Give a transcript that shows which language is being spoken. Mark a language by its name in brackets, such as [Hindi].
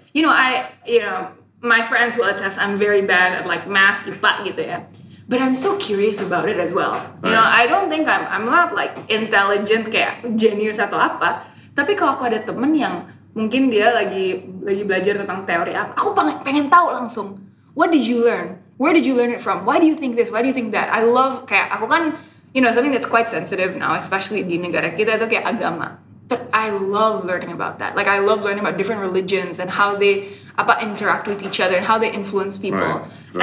[English] If, you know, my friends will attest I'm very bad at like math, IPA gitu ya. But I'm so curious about it as well. Right. You know, I don't think I'm not like intelligent kayak genius atau apa. [Indonesian] Tapi kalau aku ada temen yang mungkin dia lagi belajar tentang teori apa, aku pengen tahu langsung. [English] What did you learn? Where did you learn it from? Why do you think this? Why do you think that? I love, kayak aku kan, you know, something that's quite sensitive now, especially di negara kita itu kayak agama. But I love learning about that. Like, I love learning about different religions and how they interact with each other and how they influence people. Right.